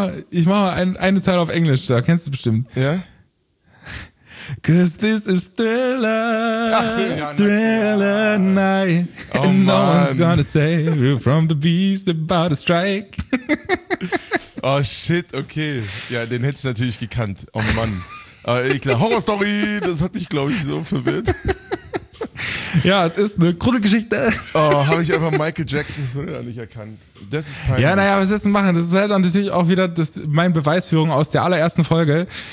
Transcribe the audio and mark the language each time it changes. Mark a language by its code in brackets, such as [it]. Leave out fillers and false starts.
[de] Ich mach mal eine Zeile auf Englisch, da kennst du bestimmt. Ja? [en] Yeah? 'Cause this is thriller, thriller night. Oh, and No one's gonna save you from the beast about to strike. Oh shit, okay. [de] Ja, den hätte ich natürlich gekannt. Oh Mann. Horror Story, das hat mich, glaube ich, so verwirrt. Ja, es ist eine Gruselgeschichte. Oh, habe ich einfach Michael Jackson früher nicht erkannt. Das ist peinlich. Ja, naja, was willst du machen? Das ist halt natürlich auch wieder meine Beweisführung aus der allerersten Folge.